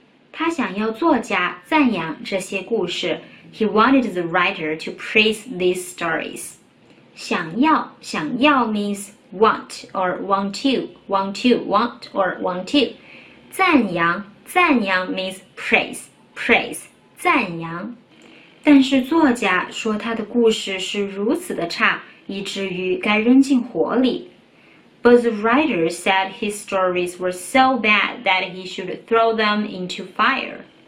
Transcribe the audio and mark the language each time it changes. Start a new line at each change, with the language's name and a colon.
Chinese: 他想要作家赞扬这些故事。
English: He wanted the writer to praise these stories. 想要 means want or want to. 赞扬 means praise, 赞扬。
Chinese: 但是作家说他的故事是如此的差，以至于该扔进火里。
English: But the writer said his stories were so bad that he should throw them into fire.